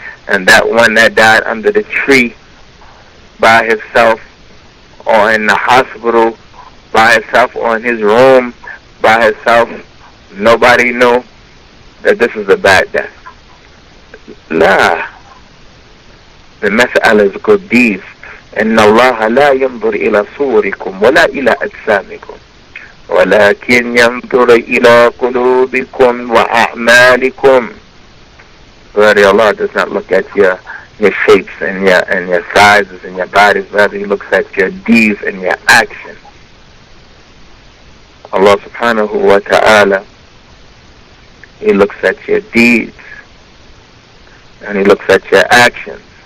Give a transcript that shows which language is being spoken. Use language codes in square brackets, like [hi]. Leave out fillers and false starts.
[en] And that one that died under the tree by himself, or in the hospital by himself, or in his room by himself, nobody knew that this is a bad death. Nah. The mas'ala is good deeds. [ar] إن الله لا ينظر إلى صوركم ولا إلى أجسامكم ولكن ينظر إلى قلوبكم وأعمالكم. [en] Verily Allah does not look at your shapes and your sizes and your bodies. Rather, He looks at your deeds and your actions. Allah subhanahu wa ta'ala, He looks at your deeds and He looks at your actions.